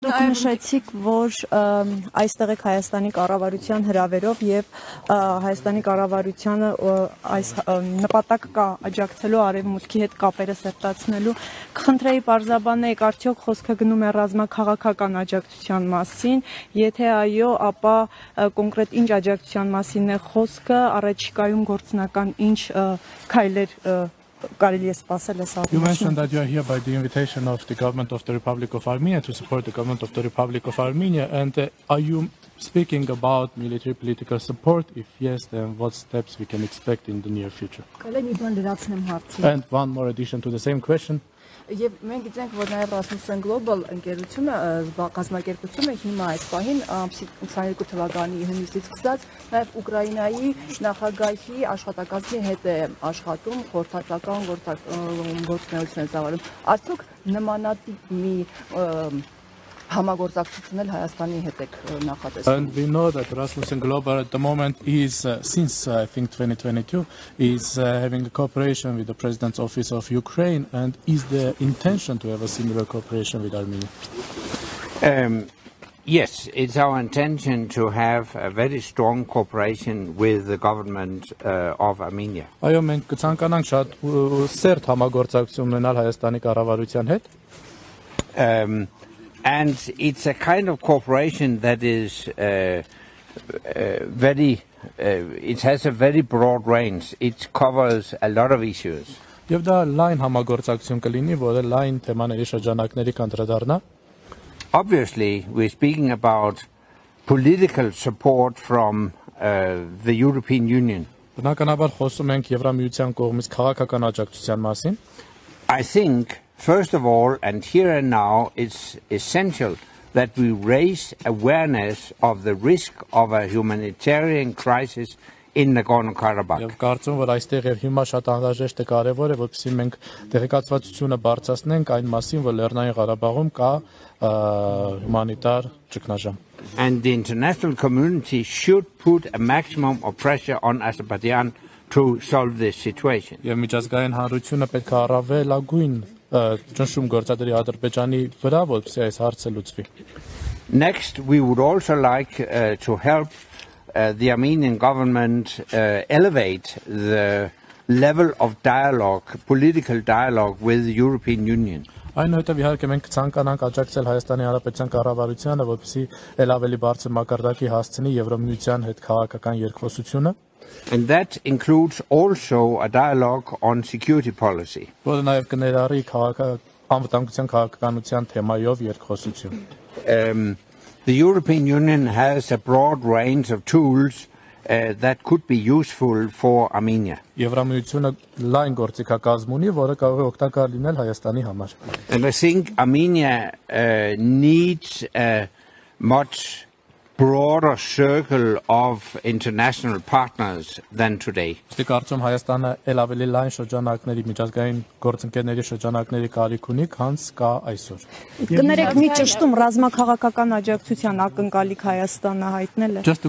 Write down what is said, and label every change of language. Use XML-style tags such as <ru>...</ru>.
<hy>Դուք նշեցիք, որ այստեղ է Հայաստանի կառավարության հրավերով եւ Հայաստանի կառավարությունը այս նպատակ կա աջակցելու արևմուտքի հետ կապերը սերտացնելու։ Խնդրեի պարզաբանեք, արդյոք խոսքը գնում է ռազմաքաղաքական աջակցության մասին։ Եթե այո, ապա կոնկրետ ինչ աջակցության մասին է խոսքը, առաջիկայում գործնական ինչ քայլեր</hy> <en>You mentioned that you are here by the invitation of the government of the Republic of Armenia to support the government of the Republic of Armenia. And are you speaking about military political support? If yes, then what steps we can expect in the near future? And one more addition to the same question.</en> <hy>Եվ մենք գիտենք, որ նաև Ռասմուսեն գլոբալ ընկերությունը կազմակերպությունը հիմա այս պահին 22 թվականի հունիսից սկսած նաև Ուկրաինայի նախագահի աշխատակազմի հետ է աշխատում խորհրդատական գործունեություն ծավալում։ Արդյոք նմանատիպ մի համագործակցություն էլ Հայաստանի հետ եք նախատեսում։</hy> <en>And we know that Ռասմուսեն գլոբալ at the moment is since I think 2022 is having a cooperation with the president's office of Ukraine, and is the intention to have a similar cooperation with Armenia? Yes, it's our intention to have a very strong cooperation with the government of Armenia.</en> <hy>Այո, մենք կցանկանանք շատ սերտ համագործակցություն ունենալ Հայաստանի կառավարության հետ։</hy> <en>And it's a kind of cooperation that is very, it has a very broad range. It covers a lot of issues.</en> <hy>Եվ դա լայն համագործակցություն կլինի, որը լայն թեմաների շրջանակների կանդրադառնա։</hy> <en>Obviously, we're speaking about political support from the European Union.</en> <hy>Բնականաբար խոսում ենք Եվրամիության կողմից քաղաքական աջակցության մասին։</hy> <en>I think first of all, and here and now, it's essential that we raise awareness of the risk of a humanitarian crisis in Nagorno-Karabakh.</en> <hy>Եվ կարծում եմ, որ այստեղ եւ հիմա շատ անհրաժեշտ է, կարեւոր է, որպեսզի մենք տեղեկացվածությունը բարձրացնենք այն մասին, որ Լեռնային Ղարաբաղում կա հումանիտար ճգնաժամ.</hy> <en>And the international community should put a maximum of pressure on Azerbaijan to solve this situation.</en> <hy>Եվ միջազգային հանրությունը պետք է առավելագույն ճնշում գործադրի Ադրբեջանի վրա, որպեսզի այս հարցը լուծվի։</hy> <en>Next, we would also like to help the Armenian government elevate the level of dialogue, political dialogue with the European Union.</en> <hy>Այնուհետև իհարկե մենք ցանկանանք աջակցել Հայաստանի Հանրապետության կառավարությանը, որպեսզի այլ ավելի բարձր մակարդակի հասցնի Եվրոմիության հետ քաղաքական երկխոսությունը։</hy> <en>And that includes also a dialogue on security policy.</en> <hy>Որը նաև կներառի անվտանգության քաղաքականության թեմայով երկխոսություն։</hy> <en>The European Union has a broad range of tools that could be useful for Armenia.</en> <hy>Եվրամիությունը լայն գործիքակազմ ունի, որը կարող է օգտակար լինել Հայաստանի համար։</hy> <en>And I think Armenia needs a much broader circle of international partners than today.</en> <hy>Ես կարծում եմ Հայաստանը ել ավելի լայն շրջանակների, միջազգային գործընկերների շրջանակների կարիք ունի, քանս կա այսօր։ Կներեք մի ճշտում, ռազմաքաղաքական աջակցության ակնկալիք Հայաստանը հայտնել է։</hy>